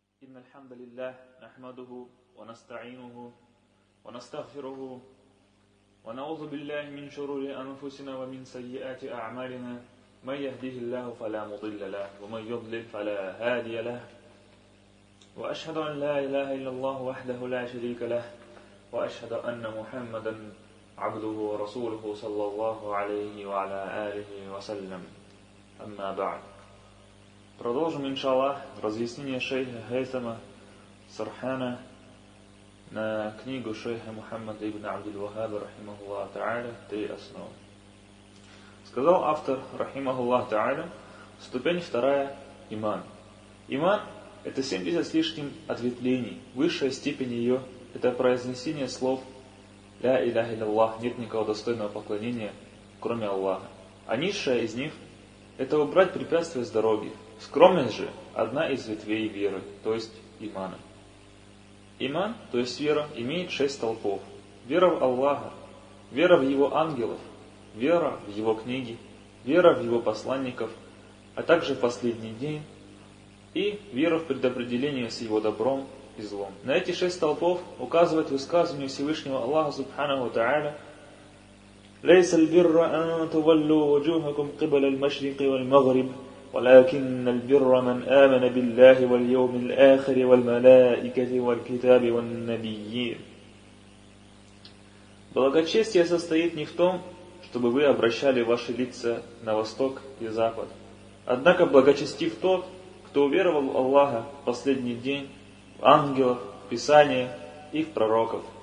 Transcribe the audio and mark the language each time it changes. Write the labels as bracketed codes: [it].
[ar] إن الحمد لله نحمده ونستعينه ونستغفره ونعوذ بالله من شرور أنفسنا ومن سيئات أعمالنا من يهده الله فلا مضل له ومن يضلل فلا هادي له وأشهد أن لا إله إلا الله وحده لا شريك له وأشهد أن محمدا عبده ورسوله صلى الله عليه وعلى آله وسلم أما بعد. [ru] Продолжим, иншаллах, разъяснение шейха Хейтама Сархана на книгу шейха Мухаммада ибн Абдул-Вахаба, рахимахуллах та'аля, «Три основы». Сказал автор, рахимахуллах та'аля, ступень вторая – иман. Иман – это 70 с лишним ответвлений. Высшая степень ее – это произнесение слов [ar] «Ля иляха илляллах» [ru] – нет никого достойного поклонения, кроме Аллаха. А низшая из них – это убрать препятствия с дороги. Скромность же – одна из ветвей веры, то есть имана. Иман, то есть вера, имеет 6 толпов. Вера в Аллаха, вера в Его ангелов, вера в Его книги, вера в Его посланников, а также в последний день и вера в предопределение с Его добром и злом. На эти 6 толпов указывает высказывание Всевышнего Аллаха Субханаху Та'аля: [ar] «Лейса аль-бирра ан туваллю вуджухакум кибаля аль-машриқи валь-магриб». ولكن البر من آمن بالله واليوم الآخر والملائكة والكتاب والنبيين. [ru] Благочестие состоит не в том, чтобы вы обращали ваши лица на восток и запад. Однако благочестив тот, кто уверовал в Аллаха в последний день, в ангелов, в Писание и в пророков.